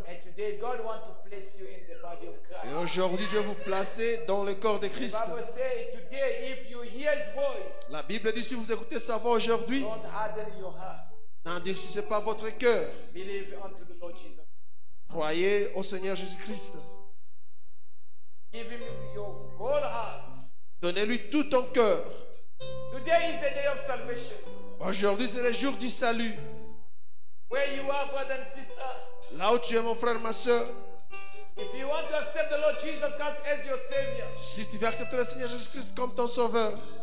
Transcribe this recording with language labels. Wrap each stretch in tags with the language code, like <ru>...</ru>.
<en>And today God wants to place you in the body of Christ.</en> <fr>Et aujourd'hui Dieu vous place dans le corps de Christ.</fr> <en>The Bible says today if you hear his voice.</en> <fr>La Bible dit si vous écoutez sa voix aujourd'hui.</fr> <en>Don't harden your heart.</en> <fr>N'endurcissez pas votre cœur.</fr> <en>Believe unto the Lord Jesus.</en> <fr>Croyez au Seigneur Jésus-Christ.</fr> <en>Give him your whole heart.</en> <fr>Donnez-lui tout ton cœur.</fr> <en>Today is the day of salvation.</en> <fr>Aujourd'hui, c'est le jour du salut.</fr> <en>Where you are, brother and sister.</en> <fr>Là où tu es, mon frère, ma soeur.</fr> <en>If you want to accept the Lord Jesus Christ as your savior.</en> <fr>Si tu veux accepter le Seigneur Jésus-Christ comme ton sauveur.</fr>